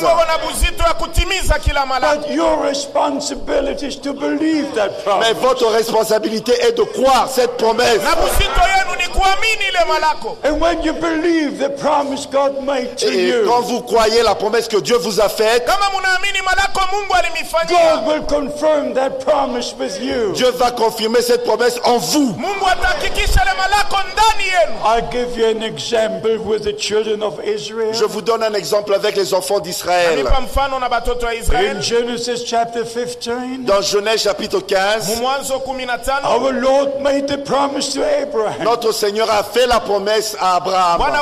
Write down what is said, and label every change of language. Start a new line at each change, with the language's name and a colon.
English: But your responsibility is to believe that promise.
French: Mais votre responsabilité est de croire cette promesse.
English: And when you believe the promise God made to
French: et
English: you,
French: quand vous croyez la promesse que Dieu vous a faite,
English: God will confirm that promise with you.
French: Dieu va confirmer cette promesse en vous.
English: I give you an example with the children of Israel.
French: Je vous donne un exemple avec les enfants d'Israël.
English: In Genesis chapter 15,
French: dans Genèse chapitre
English: 15, our Lord made the promise to Abraham.
French: Notre Seigneur a fait la promesse à Abraham.